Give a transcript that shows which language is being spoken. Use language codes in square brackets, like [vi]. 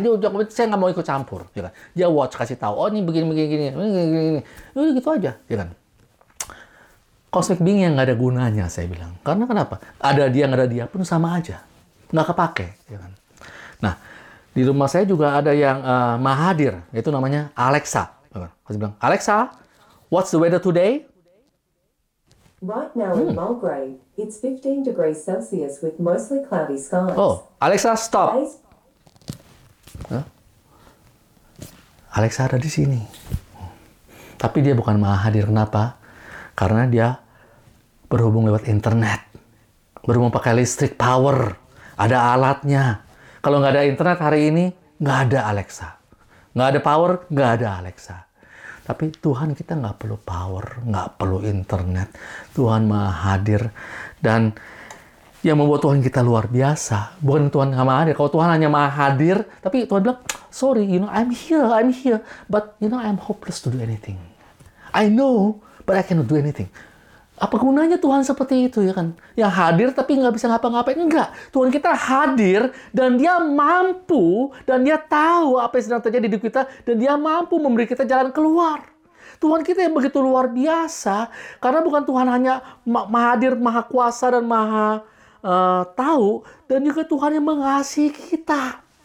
[id] Dia udah saya enggak mau ikut campur, ya kan. Dia watch kasih tahu, oh ini begini. Ini gitu aja, ya kan. Cosmic being yang enggak ada gunanya, saya bilang. Karena kenapa? Ada dia enggak ada dia pun sama aja. Enggak kepake, ya kan. Nah, di rumah saya juga ada yang mahadir, yaitu namanya Alexa. Ya kan? Saya bilang, "Alexa, [en] what's the weather today?" Right now in Mulgrave, it's 15 degrees Celsius with mostly cloudy skies. Oh, Alexa, stop. [id] Alexa ada di sini. Tapi dia bukan mahadir. Kenapa? Karena dia berhubung lewat internet. Berhubung pakai listrik power. Ada alatnya. Kalau nggak ada internet hari ini, nggak ada Alexa. Nggak ada power, nggak ada Alexa. Tapi Tuhan kita nggak perlu power, nggak perlu internet. Tuhan Maha Hadir. Dan yang membuat Tuhan kita luar biasa, bukan Tuhan Maha Hadir. Kalau Tuhan hanya Maha Hadir, tapi Tuhan bilang, [en] sorry, you know, I'm here. But, you know, I'm hopeless to do anything. I know, but I cannot do anything. [id] Apa gunanya Tuhan seperti itu, ya kan? Yang hadir tapi nggak bisa ngapa-ngapain. Enggak, Tuhan kita hadir dan dia mampu dan dia tahu apa yang sedang terjadi di kita dan dia mampu memberi kita jalan keluar. Tuhan kita yang begitu luar biasa karena bukan Tuhan hanya hadir, maha kuasa dan maha tahu dan juga Tuhan yang mengasihi kita.